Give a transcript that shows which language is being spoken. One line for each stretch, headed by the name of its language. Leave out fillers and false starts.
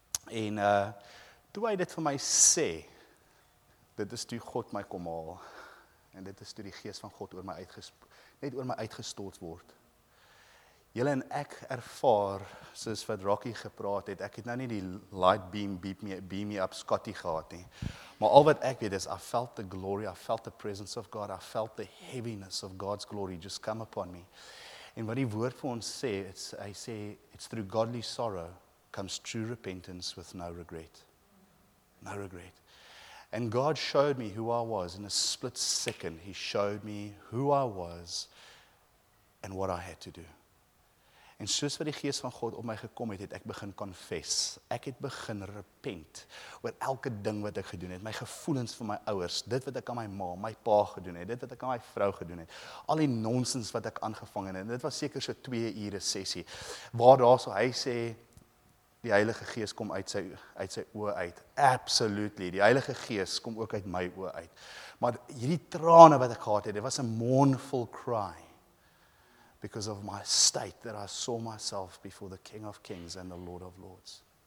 Afrikaans: En toe hy dit vir my sê, dit is toe God my kom haal. En dit is toe die Gees van God oor my uitgestort word. Julle en ek ervaar, soos wat Rocky gepraat het, ek het nou nie die
English: light beam me up Scotty
Afrikaans: gehad nie. Maar al wat ek weet is,
English: I felt the glory, I felt the presence of God, I felt the heaviness of God's glory just come upon me.
Afrikaans: En wat die woord vir ons sê,
English: it's through godly sorrow comes true repentance with no regret. No regret. And God showed me who I was in a split second. He showed me who I was and what I had to do.
Afrikaans: En soos wat die Gees van God op my gekom het, het ek begin confess. Ek het begin repent oor elke ding wat ek gedoen het, my gevoelens vir my ouers, dit wat ek aan my ma, my pa gedoen het, dit wat ek aan my vrou gedoen het, al die nonsens wat ek aangevang het, en dit was seker so 2 ure sessie, waar daar so hy sê, die Heilige Gees kom uit sy oë uit. Absolutely, die Heilige Gees kom ook uit my oë uit. Maar hierdie trane wat ek gehad het, dit was 'n
English: mournful cry because of my state that I saw myself before the King of Kings and the Lord of Lords.